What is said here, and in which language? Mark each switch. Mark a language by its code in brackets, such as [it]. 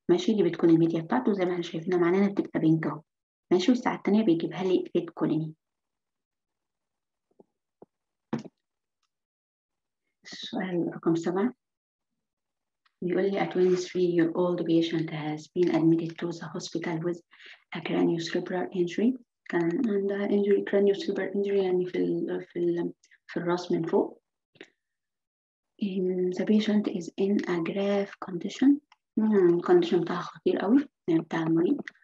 [ar] ماشي، اللي بتكون الميديا بتاعته زي ما احنا شايفينها معانا بتبقى بينك اهو. ماشي، والساعه الثانيه بيجيبها لي ريد كوليني. السؤال رقم 7 بيقول لي [en] a 23 year old patient has been admitted to the hospital with a craniocerebral injury. [ar] كان عندها injury، craniocerebral injury يعني في الراس من فوق. [en] The patient is in a grave condition. [ar] Condition بتاعها خطير قوي، يعني بتاع المريض.